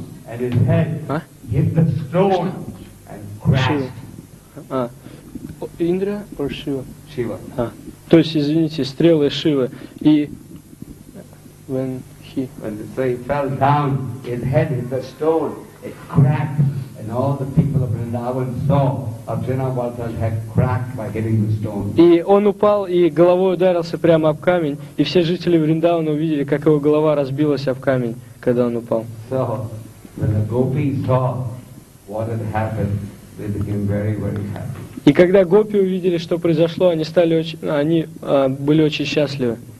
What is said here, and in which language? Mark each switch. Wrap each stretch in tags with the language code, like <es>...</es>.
<en>And his head hit the stone and crashed. Indra or Shiva? Shiva.</en> <ru>То есть, извините, стрелы Шивы. И</ru> <en>when he fell down, his head hit the stone, it cracked, and and all the people of Vrindavan saw Arjuna was head cracked by hitting the stone.</en> <ru>И он упал и головой ударился прямо об камень, и все жители Вриндавана увидели, как его голова разбилась об камень, когда он упал.</ru> <en>So when the gopis saw what had happened, they became very, very happy.</en> <ru>И когда гопи увидели, что произошло, они стали очень, они были очень счастливы.</ru>